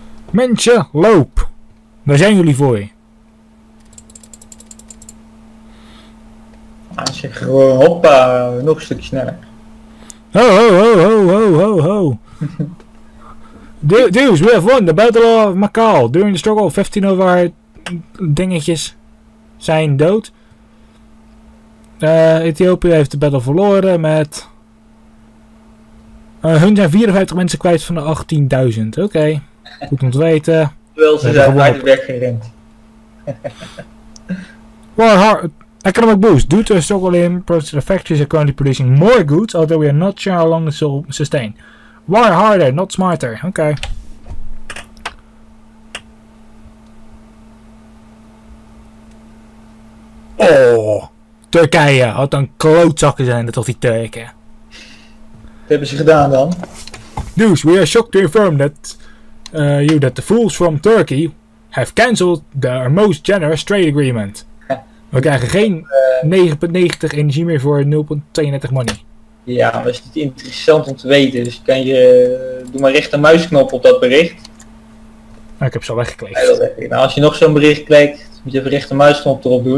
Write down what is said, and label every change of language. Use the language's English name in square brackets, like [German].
[Dutch] Mensen, loop! Daar zijn jullie voor. Als je gewoon hoppa, nog een stukje sneller. Ho ho ho ho ho ho ho. [English] Dudes, we have won the Battle of Macau. During the struggle, 15 of our [Dutch] dingetjes zijn dood. Ethiopië heeft de battle verloren met... hun zijn 54 mensen kwijt van de 18.000, oké. Okay. Goed om te weten. Terwijl ze zijn uit de weg gerend. [English] War hard. Economic boost. Due to a struggle in production, the factories are currently producing more goods, although we are not sure how long this will sustain. War harder, not smarter. Oké. Okay. [Dutch] Oh. Turkije. Wat een klootzakken zijn dat toch die Turken. Wat hebben ze gedaan dan? [English] News. We are shocked to inform that... you that the fools from Turkey have cancelled their most generous trade agreement. [Dutch] We krijgen geen 9,90 energie meer voor 0,32 money. Ja, dat is niet interessant om te weten. Dus kan je doe maar rechter muisknop op dat bericht. Nou, ik heb ze al weggeklikt. Nou, als je nog zo'n bericht klikt, moet je even rechter muisknop erop doen.